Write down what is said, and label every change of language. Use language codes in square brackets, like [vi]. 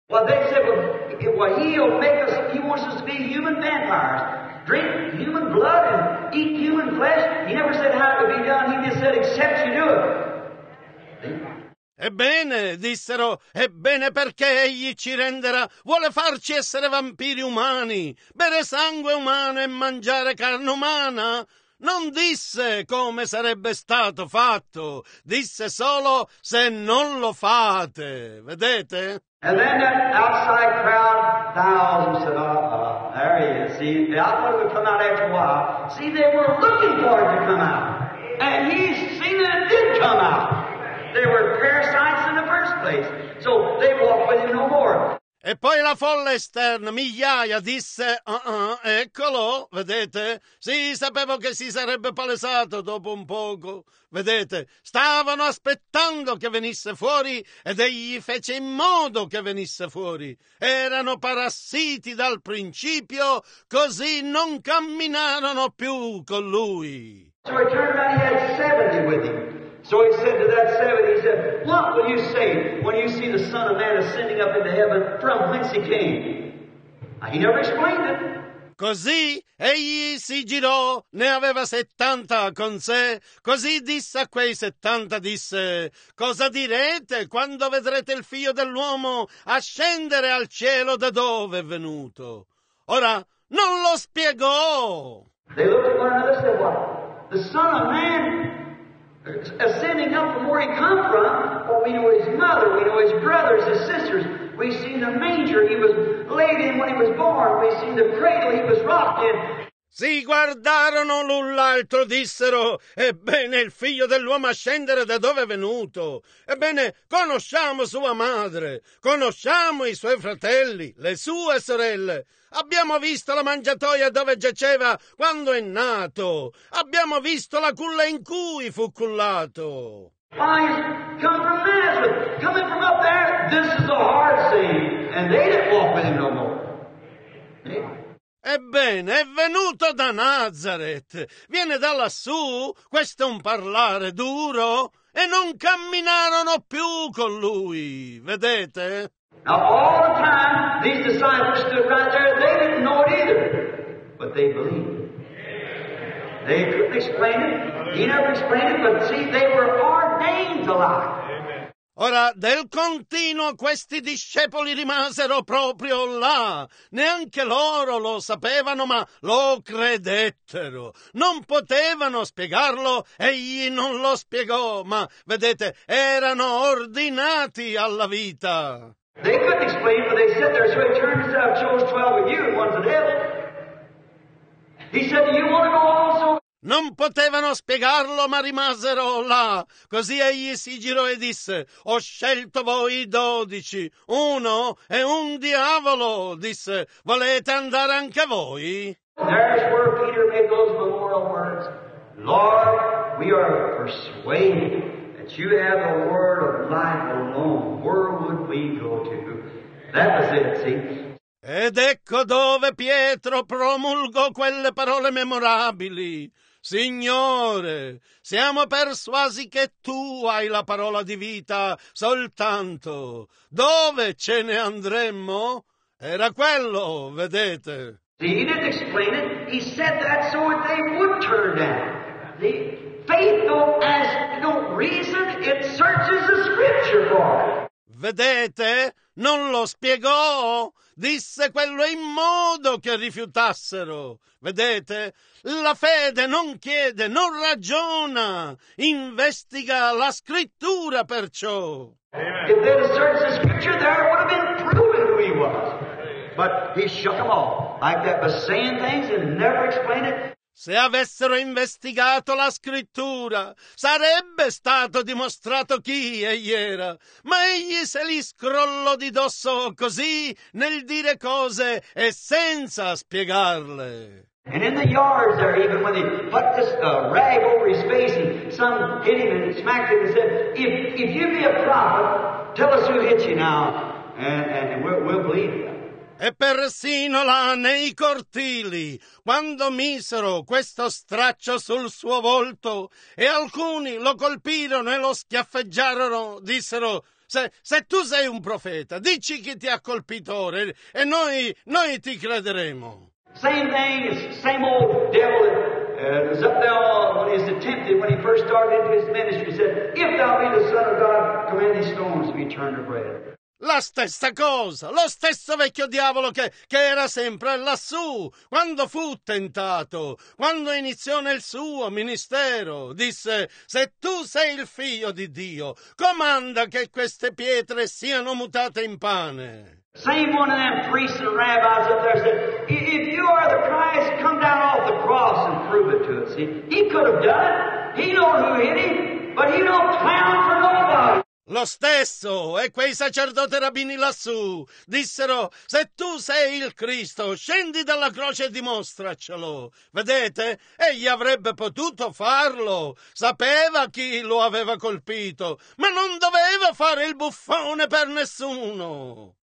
[en] Well, they said, he'll make us, he wants us to be human vampires. Drink human blood and eat human flesh. He never said how it would be done. He just said, except you do it. [it] Ebbene, dissero, ebbene perché egli ci renderà, vuole farci essere vampiri umani, bere sangue umano e mangiare carne umana? Non disse come sarebbe stato fatto, disse solo se non lo fate, vedete? [en] And then that outside crowd, thousands said, there he is. See, the outside would come out after a while. See, they were looking for him to come out. And he seen that it did come out. They were parasites in the first place. So they walked with him no more. [it] E poi la folla esterna, migliaia, disse, eccolo, vedete? Sì, sapevo che si sarebbe palesato dopo un poco, vedete? Stavano aspettando che venisse fuori ed egli fece in modo che venisse fuori. Erano parassiti dal principio, così non camminarono più con lui. [en] So he turned around, he had 70 with him. So he said to that 70, he said, what will you say when you see the Son of Man ascending up into heaven from whence he came? He never explained it. [it] Così egli si girò, ne aveva 70 con sé, così disse a quei 70, disse, cosa direte quando vedrete il figlio dell'uomo ascendere al cielo da dove è venuto? Ora, non lo spiegò. [en] They looked at one another and said, what? The Son of Man ascending up from where he come from, well, we know his mother, we know his brothers, his sisters, we seen the manger he was laid in when he was born, we seen the cradle he was rocked in. [it] Si guardarono l'un l'altro, dissero, ebbene il figlio dell'uomo ascendere da dove è venuto? Ebbene, conosciamo sua madre, conosciamo i suoi fratelli, le sue sorelle. Abbiamo visto la mangiatoia dove giaceva quando è nato. Abbiamo visto la culla in cui fu cullato. [en] Come from Nazareth, coming from up there, this is a hard scene. And they didn't walk with him no more. [it] Ebbene, è venuto da Nazareth, viene da lassù, questo è un parlare duro, e non camminarono più con lui, vedete? [en] Now all the time, these disciples stood right there, they didn't know it either, but they believed. They couldn't explain it, he never explained it, but see, they were ordained alive. [it] Ora, del continuo questi discepoli rimasero proprio là. Neanche loro lo sapevano, ma lo credettero. Non potevano spiegarlo, egli non lo spiegò, ma, vedete, erano ordinati alla vita. [en] They couldn't explain, but they sat there, so he turns out, chose 12 of you, one's a devil. He said, do you want to go also? [it] Non potevano spiegarlo, ma rimasero là. Così egli si girò e disse, ho scelto voi 12, uno è un diavolo, disse, volete andare anche voi? [en] There's where Peter made those memorial words. Lord, we are persuaded that you have the word of life alone. Where would we go to? That was it, see? [it] Ed ecco dove Pietro promulgò quelle parole memorabili. Signore, siamo persuasi che tu hai la parola di vita soltanto. Dove ce ne andremmo? Era quello, vedete. [en] He didn't explain it. He said that so that they would turn down. The faith though has no reason, it searches the scripture for it. [it] Vedete? Non lo spiegò. Disse quello in modo che rifiutassero. Vedete? La fede non chiede, non ragiona. Investiga la scrittura perciò. [en] If they had searched the scripture, there would have been proven who he was. But he shook them all. Like that was saying things and never explained it. [it] Se avessero investigato la scrittura, sarebbe stato dimostrato chi egli era. Ma egli se li scrollò di dosso così, nel dire cose e senza spiegarle. [en] And in the yards there, even when he put this rag over his face and some hit him and smacked him and said, if you be a prophet, tell us who hit you now and we'll believe you. [it] E persino là nei cortili, quando misero questo straccio sul suo volto e alcuni lo colpirono e lo schiaffeggiarono, dissero, se tu sei un profeta, dici chi ti ha colpito ora e noi ti crederemo. [en] Same thing, same old devil was up there when he was tempted, when he first started into his ministry, said, if thou be the son of God, command these stones to be turned to bread. [it] La stessa cosa, lo stesso vecchio diavolo che era sempre lassù, quando fu tentato, quando iniziò nel suo ministero, disse, se tu sei il figlio di Dio, comanda che queste pietre siano mutate in pane. [en] Same one of them priests and rabbis up there said, if you are the Christ, come down off the cross and prove it to us. He could have done it, he know who hit him, but he don't clown for nobody. [it] Lo stesso, e quei sacerdoti rabbini lassù, dissero, se tu sei il Cristo, scendi dalla croce e dimostracelo. Vedete? Egli avrebbe potuto farlo. Sapeva chi lo aveva colpito, ma non doveva fare il buffone per nessuno.